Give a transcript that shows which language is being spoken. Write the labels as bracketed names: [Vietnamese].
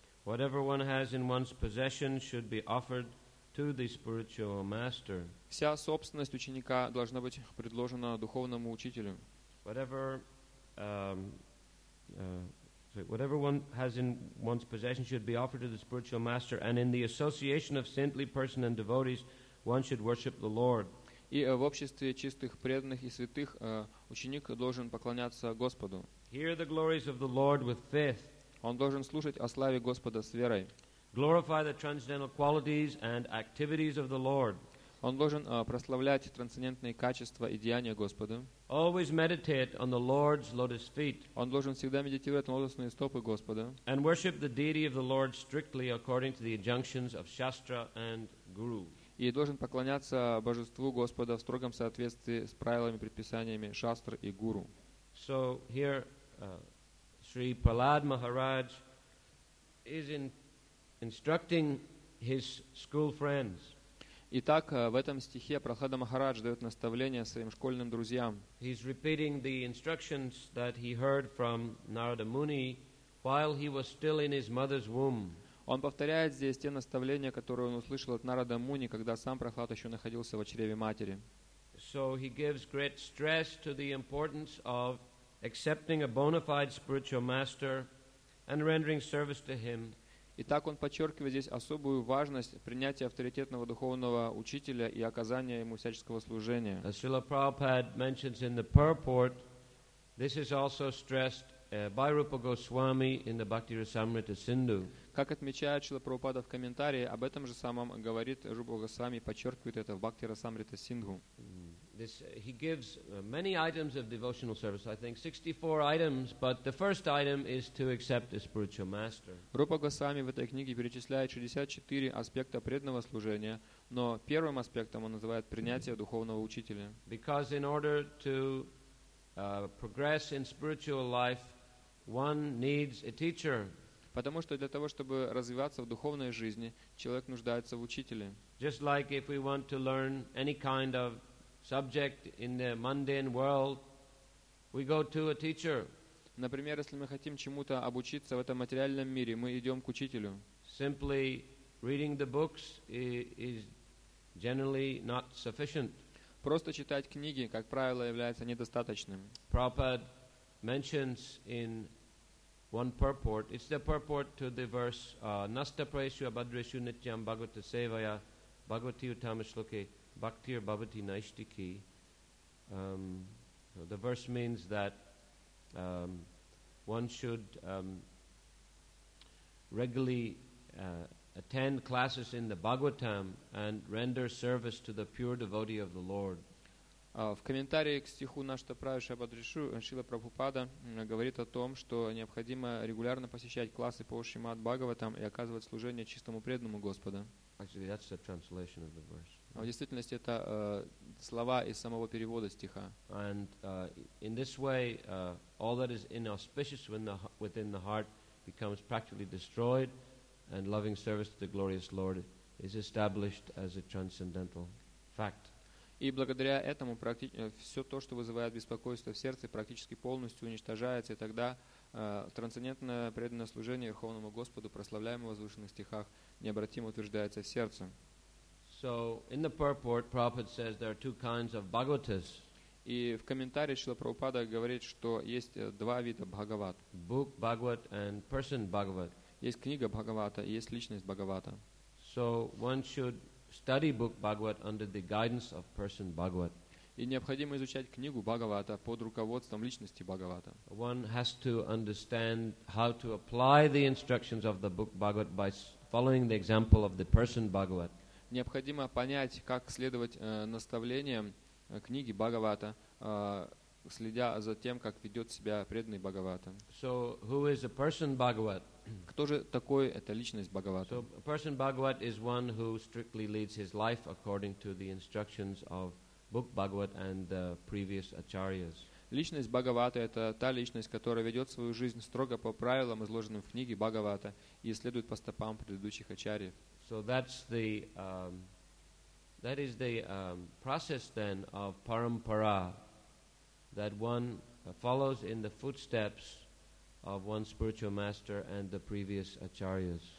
[English] Whatever one has in one's possession should be offered to the spiritual master. [Russian] Вся собственность ученика должна быть предложена духовному учителю. [English] Whatever one has in one's possession should be offered to the spiritual master, and in the association of saintly persons and devotees, one should worship the Lord. [Russian] И в обществе чистых преданных и святых ученик должен поклоняться Господу. [English] Hear the glories of the Lord with faith. [Russian] Он должен слушать о славе Господа с верой. [English] Glorify the transcendental qualities and activities of the Lord. [Russian] Он должен прославлять трансцендентные качества и деяния Господа. [English] Always meditate on the Lord's lotus feet. [Russian] Он должен всегда медитировать на лотосные стопы Господа. [English] And worship the deity of the Lord strictly according to the injunctions of Shastra and Guru. [Russian] И должен поклоняться божеству Господа в строгом соответствии с правилами и предписаниями Шастр и Гуру. [English] So here Sri Prahlad Maharaj is instructing his school friends. [Russian] Итак, в этом стихе Прахлада Махарадж дает наставление своим школьным друзьям. [English] He's repeating the instructions that he heard from Narada Muni while he was still in his mother's womb. [Russian] Он повторяет здесь те наставления, которые он услышал от Нарада Муни, когда сам Прахлад еще находился в чреве матери. [English] So he gives great stress to the importance of accepting a bona fide spiritual master and rendering service to him. [Russian] Итак, он подчеркивает здесь особую важность принятия авторитетного духовного учителя и оказания ему всяческого служения. [English] As Srila Prabhupada mentions in the purport, this is also stressed by Rupa Goswami in the Bhakti Rasamrita Sindhu. [Russian] Как отмечает Шрила Прабхупада в комментарии, об этом же самом говорит Рупа Госвами, подчеркивает это в Бхакти Расамрита Сингху. [English] He gives many items of devotional service, I think 64 items, but the first item is to accept a spiritual master. [Russian] Рупа Госвами в этой книге перечисляет 64 аспекта преданного служения, но первым аспектом он называет принятие духовного учителя. [English] Because in order to progress in spiritual life, one needs a teacher. [Russian] Потому что для того, чтобы развиваться в духовной жизни, человек нуждается в учителе. [English] Just like if we want to learn any kind of subject in the mundane world, we go to a teacher. [Russian] Например, если мы хотим чему-то обучиться в этом материальном мире, мы идем к учителю. [English] Simply reading the books is generally not sufficient. [Russian] Просто читать книги, как правило, является недостаточным. [English] Prabhupada mentions in one purport, it's the purport to the verse [Sanskrit] Nasta Praishu Abhadrishu Nityam Bhagavata Sevaya Bhagavati Utamashloke Bhaktir Bhavati Naishtiki. [English] The verse means that one should regularly attend classes in the Bhagavatam and render service to the pure devotee of the Lord. [Russian] В комментарии к стиху «Нашта правиша Бадришу» Шрила Прабхупада говорит о том, что необходимо регулярно посещать классы по Шримад Бхагаватам и оказывать служение чистому преданному Господа. В действительности, это слова из самого перевода стиха. [English] And in this way, all that is inauspicious within the heart becomes practically destroyed, and loving service to the glorious Lord is established as a transcendental fact. [Russian] И благодаря этому все то, что вызывает беспокойство в сердце, практически полностью уничтожается, и тогда трансцендентное преданное служение Верховному Господу, прославляемое в возвышенных стихах, необратимо утверждается в сердце. [English] So, in the purport, Prabhupada says there are two kinds of Bhagavatas. [Russian] И в комментарии Шрила Прабхупада говорит, что есть два вида Бхагават. [English] Book Bhagavat and person Bhagavat. [Russian] Есть книга Бхагавата и есть личность Бхагавата. [English] So, one should study book Bhagavat under the guidance of person Bhagavat. [Russian] И необходимо изучать книгу Бхагавата под руководством личности Бхагавата. [English] One has to understand how to apply the instructions of the book Bhagavat by following the example of the person Bhagavat. [Russian] Необходимо понять, как следовать наставлениям книги Бхагавата, следя за тем, как ведет себя преданный Бхагавата. [English] So, who is a person Bhagavat? [Russian] Кто же такой эта личность Бхагавата? [English] So, a person Bhagavat is one who strictly leads his life according to the instructions of book Bhagavat and the previous acharyas. [Russian] Личность Бхагавата — это та личность, которая ведет свою жизнь строго по правилам, изложенным в книге Бхагавата, и следует по стопам предыдущих ачарьев. [English] So, that's the that is the process then of parampara, that one follows in the footsteps of one spiritual master and the previous acharyas.